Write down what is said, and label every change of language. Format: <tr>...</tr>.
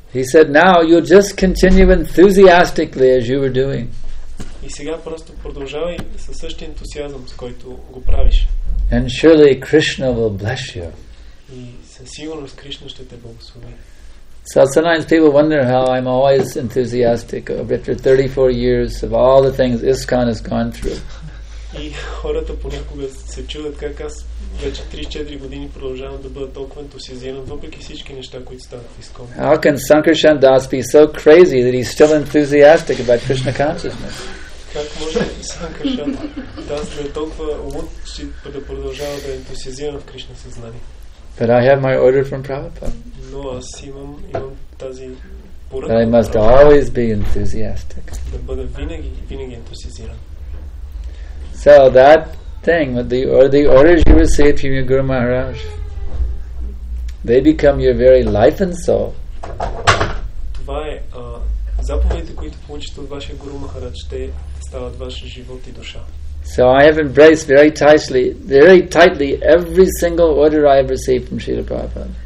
<en>He said, "Now you just continue enthusiastically as you were doing."</en> <bg>И сега просто продължавай със същия ентусиазъм, с който го правиш.</bg> <en>And surely Krishna will bless you.</en> <bg>И със сигурност Кришна ще те благослови.</bg> <en>So sometimes people wonder how I'm always enthusiastic after 34 years of all the things ISKCON has gone through.</en> <bg>И хората понякога се чудят как аз вече 3-4 години продължавам да бъда толкова ентусиазиран въпреки всички неща, които станат в ISKCON.</bg> <en>How can Sankarshan Das be so crazy that he's still enthusiastic about Krishna consciousness?</en> <bg>Как може Sankarshan Das да е толкова луд, че да продължава да е ентусиазиран в Кришна съзнание?</bg> <en>But I have my order from Prabhupada.</en> <bg>Имам тази поръка.</bg> <en>That I must always be enthusiastic.</en> <bg>Да бъда винаги ентусиазиран.</bg> <en>So that thing with the orders you receive from your Guru Maharaj, they become your very life and soul.</en> <bg>Това е заповедите, които получите от вашия Гуру Махарадж, те стават ваш живот и душа.</bg> <en>So I have embraced very tightly every single order I have received from Srila Prabhupada.</en>